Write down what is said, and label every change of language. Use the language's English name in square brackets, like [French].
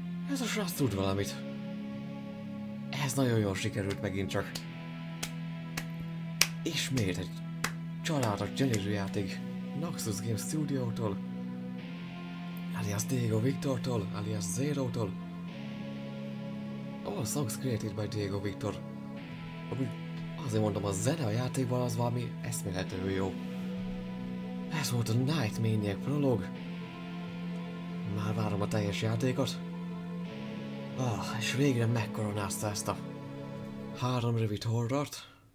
[Hungarian] Ez a srác tud valamit. Ez nagyon jól sikerült megint csak. Ismét egy családos gyönyörű játék Noxus Games Studio-tól, alias Diego Victor-tól, alias Zero-tól. [English] All songs created by Diego Victor. [Hungarian] Amúgy azért mondom, a zene a játékban az valami eszméletlenül jó. Ez volt a Night Maniac Prologue. Már várom a teljes játékot. Ah, és végre megkoronázta ezt a három rövid horrort.